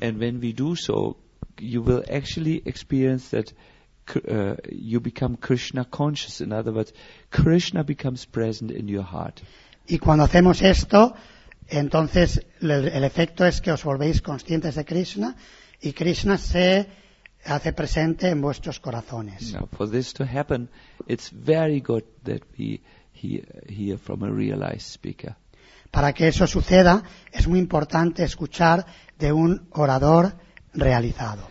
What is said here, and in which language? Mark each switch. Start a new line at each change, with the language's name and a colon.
English: And when we do so, you will actually experience that you become Krishna conscious. In other words, Krishna becomes present in your heart.
Spanish: Y cuando hacemos esto, entonces el efecto es que os volvéis conscientes de Krishna y Krishna se hace presente en vuestros corazones.
English: Now, for this to happen, it's very good that we hear from a realized speaker.
Spanish: Para que eso suceda, es muy importante escuchar de un orador realizado.